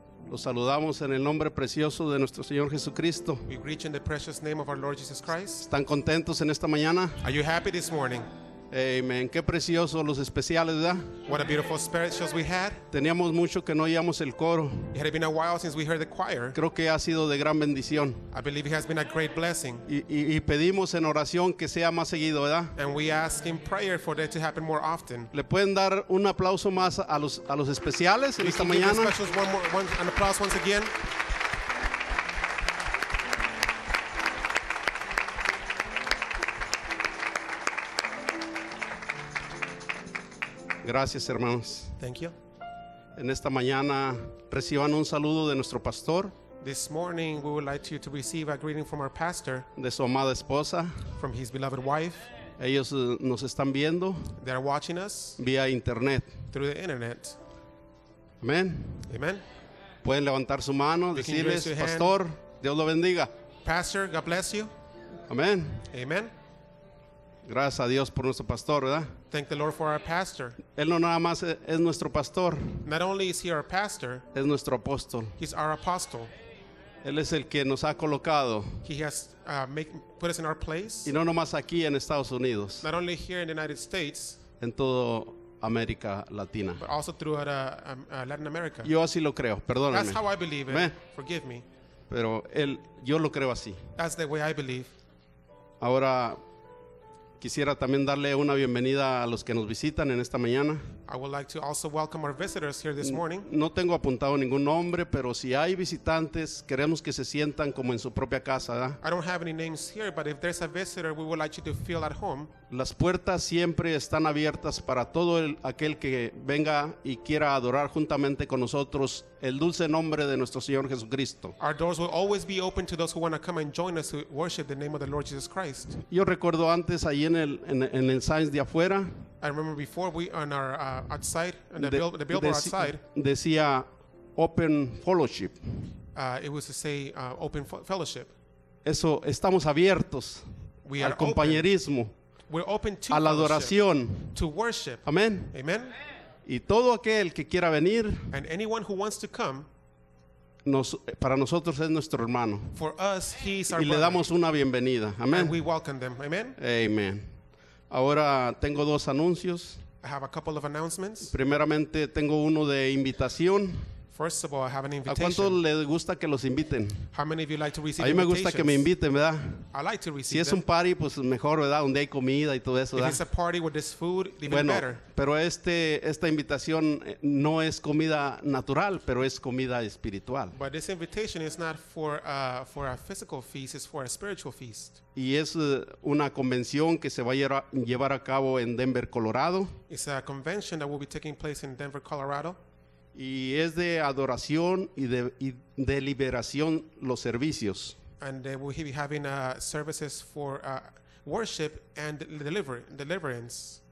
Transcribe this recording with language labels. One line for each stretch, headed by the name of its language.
Spanish: Los saludamos en el nombre precioso de nuestro Señor Jesucristo.
English: We greet you in the precious name of our Lord Jesus Christ.
Spanish: ¿Están contentos en esta mañana?
English: Are you happy this morning?
Spanish: Amen. Qué precioso los especiales, ¿verdad?
English: What a beautiful specials we had.
Spanish: Teníamos mucho que no oíamos el coro.
English: It had been a while since we heard the choir.
Spanish: Creo que ha sido de gran bendición.
English: I believe it has been a great blessing.
Spanish: Y pedimos en oración que sea más seguido, ¿verdad?
English: And we ask in prayer for that to happen more often.
Spanish: ¿Le pueden dar un aplauso más a los especiales en esta mañana?
English: Can you give the specials an applause once again?
Spanish: Gracias, hermanos.
English: Thank you.
Spanish: En esta mañana reciban un saludo de nuestro pastor.
English: This morning we would like you to receive a greeting from our pastor.
Spanish: De su amada esposa.
English: From his beloved wife.
Spanish: Ellos nos están viendo.
English: They are watching us.
Spanish: Vía internet.
English: Through the internet.
Spanish: Amen.
English: Amen.
Spanish: Pueden levantar su mano, decirles, pastor, Dios lo bendiga.
English: Pastor, God bless you.
Spanish: Amen.
English: Amen.
Spanish: Gracias a Dios por nuestro pastor, ¿verdad?
English: Thank the Lord for our pastor.
Spanish: Él no nada más es nuestro pastor.
English: Not only is he our pastor.
Spanish: Es nuestro apóstol.
English: He's our apostle.
Spanish: Él es el que nos ha colocado.
English: He has put us in our place.
Spanish: Y no nomás aquí en Estados Unidos.
English: Not only here in the United States.
Spanish: En toda América Latina.
English: But also throughout Latin America.
Spanish: Yo así lo creo, perdóname.
English: That's how I believe it. Forgive me.
Spanish: Pero él, yo lo creo así.
English: That's the way I believe.
Spanish: Ahora quisiera también darle una bienvenida a los que nos visitan en esta mañana.
English: I would like to also welcome our visitors here this morning.
Spanish: No tengo apuntado ningún nombre, pero si hay visitantes, queremos que se sientan como en su propia casa, ¿eh?
English: I don't have any names here, but if there's a visitor, we would like you to feel at home.
Spanish: Las puertas siempre están abiertas para todo aquel que venga y quiera adorar juntamente con nosotros el dulce nombre de nuestro Señor Jesucristo.
English: Our doors will always be open to those who want to come and join us to worship the name of the Lord Jesus Christ.
Spanish: Yo recuerdo antes ahí en el signs de afuera.
English: I remember before we on our outside on the billboard outside
Spanish: decía
English: open fellowship. It was to say open fellowship.
Spanish: Eso, estamos abiertos
English: we
Spanish: al compañerismo.
English: Open. We're open to
Spanish: a la adoración.
English: To worship.
Spanish: Amén.
English: Amen.
Spanish: Y todo aquel que quiera venir,
English: and anyone who wants to come,
Spanish: para nosotros es nuestro hermano.
English: For us he is our
Spanish: y
English: brother.
Spanish: Le damos una bienvenida. Amén.
English: And we welcome them. Amen.
Spanish: Amen. Ahora tengo dos anuncios.
English: I have a couple of announcements.
Spanish: Primeramente tengo uno de invitación.
English: First of all, I have an invitation.
Spanish: ¿A cuánto le gusta que los inviten?
English: How many of you like to receive invitations?
Spanish: A mí me gusta que me inviten, ¿verdad?
English: I like to receive.
Spanish: Si es un party, pues mejor, ¿verdad? Donde hay comida y todo eso, ¿verdad?
English: If it's a party with this food, even
Spanish: bueno,
English: better.
Spanish: Pero esta invitación no es comida natural, pero es comida espiritual.
English: But this invitation is not for a physical feast, it's for a spiritual feast.
Spanish: Y es una convención que se va a llevar a cabo en Denver, Colorado.
English: It's a convention that will be taking place in Denver, Colorado.
Spanish: Y es de adoración y de liberación los servicios.
English: And they will be having services for worship and deliverance.